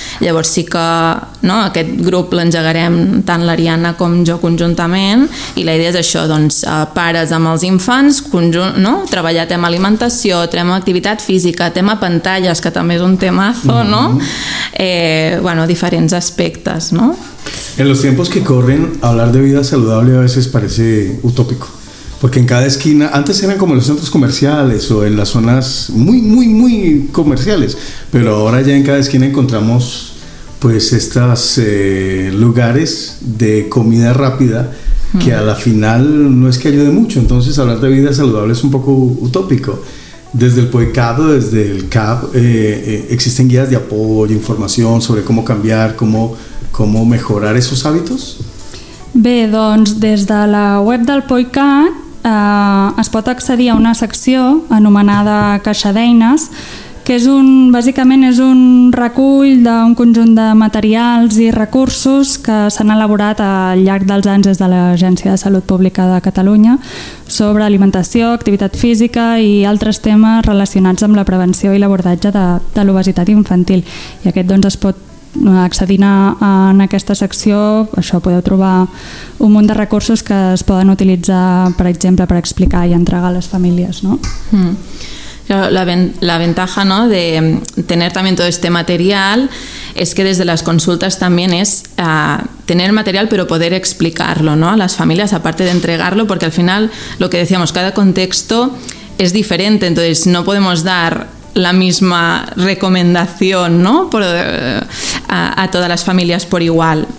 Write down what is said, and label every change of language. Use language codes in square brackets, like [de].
[ca] Llavors sí que, no, aquest grup l'engegarem tant l'Ariadna com jo conjuntament, i la idea és això, doncs, pares amb els infants, conjunt, no, treballar tema alimentació, tema activitat física, tema pantalles, que també és un temazo, no? Bueno, diferents aspectes, no? [es] En los tiempos que corren, hablar de vida saludable a veces parece utópico. Porque en cada esquina, antes eran como los centros comerciales o en las zonas muy, muy, muy comerciales, pero ahora ya en cada esquina encontramos, pues, estos lugares de comida rápida que a la final no es que ayude mucho. Entonces, hablar de vida saludable es un poco utópico. Desde el POECAD, desde el CAP, existen guías de apoyo, información sobre cómo cambiar, cómo mejorar esos hábitos. [ca] Bé, doncs, des de la web del POECAD es pot accedir a una secció anomenada Caixa d'Eines, que és un, bàsicament és un recull d'un conjunt de materials i recursos que s'han elaborat al llarg dels anys des de l'Agència de Salut Pública de Catalunya sobre alimentació, activitat física i altres temes relacionats amb la prevenció i l'abordatge de l'obesitat infantil. I aquest, doncs, es pot accedint en aquesta secció, això, podeu trobar un munt de recursos que es poden utilitzar, per exemple, per explicar i entregar a les famílies, no? [es] La ventaja, no, de tener también todo este material es que desde las consultas también es tener material pero poder explicarlo, no, a las familias, aparte de entregarlo, porque al final lo que decíamos, cada contexto es diferente, entonces no podemos dar la misma recomendación, ¿no?, a todas las familias por igual.